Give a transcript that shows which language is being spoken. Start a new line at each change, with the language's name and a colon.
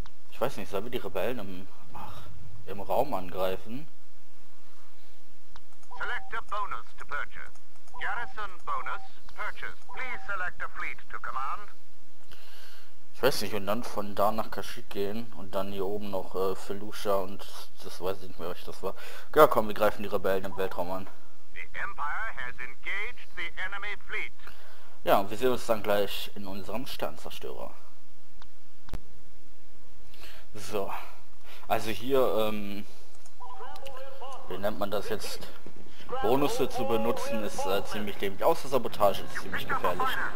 German: Ich weiß nicht, sollen wir die Rebellen im, ach, im Raum angreifen?
English: Select a bonus to purchase. Garrison bonus purchase. Please select a fleet to command.
German: Ich weiß nicht, und dann von da nach Kashyyyk gehen und dann hier oben noch Felucia und das weiß ich nicht mehr, was das war. Ja, komm, wir greifen die Rebellen im Weltraum an.
English: The Empire has engaged the enemy fleet.
German: Ja, und wir sehen uns dann gleich in unserem Sternzerstörer. So, also hier, wie nennt man das jetzt? Bonusse zu benutzen ist ziemlich dämlich, außer Sabotage ist ziemlich gefährlich.